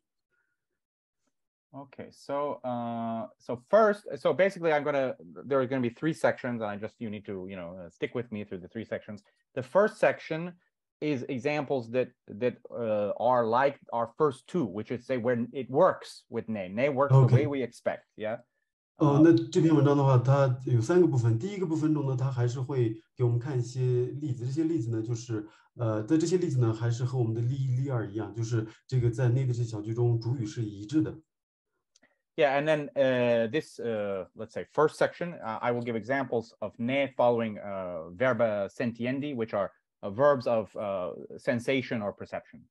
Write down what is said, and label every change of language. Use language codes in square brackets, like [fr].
[zh] 突然有点想不起来。OK，反正老师的目的就是要证明这个小句的你还是标记了小句的主体性，但是他需要对这个理论稍微做一下修改，然后就是把这种例三这种反例也纳入到这个也符合这种理论或者这种模式。OK, [en] so first, so basically, there are going to be three sections, and I just you need to you know stick with me through the three sections. The first section is examples that are like our first two, which is say when it works with ne. Ne works okay. The way we expect, yeah? [zh] 那这篇文章的话，它有三个部分。第一个部分中呢，它还是会给我们看一些例子。这些例子呢，还是和我们的例一、例二一样，就是这个在ne的这小句中主语是一致的。Yeah, [en] and then this, let's say, first section, I will give examples of ne following verba sentiendi, which are verbs of sensation or perception.